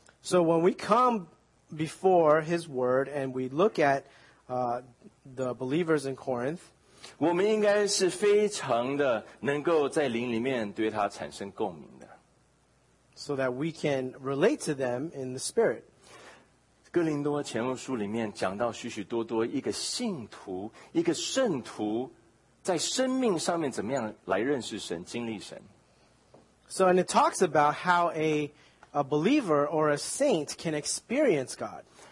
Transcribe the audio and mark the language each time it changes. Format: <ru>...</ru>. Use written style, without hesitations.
<en>So when we come before His Word and we look at the believers in Corinth, so that we can relate to them in the spirit.</en> <zh>哥林多前后书里面讲到许许多多一个信徒，一个圣徒，在生命上面怎么样来认识神、经历神。</zh> <en>So, and it talks about how a believer or a saint can experience God.</en>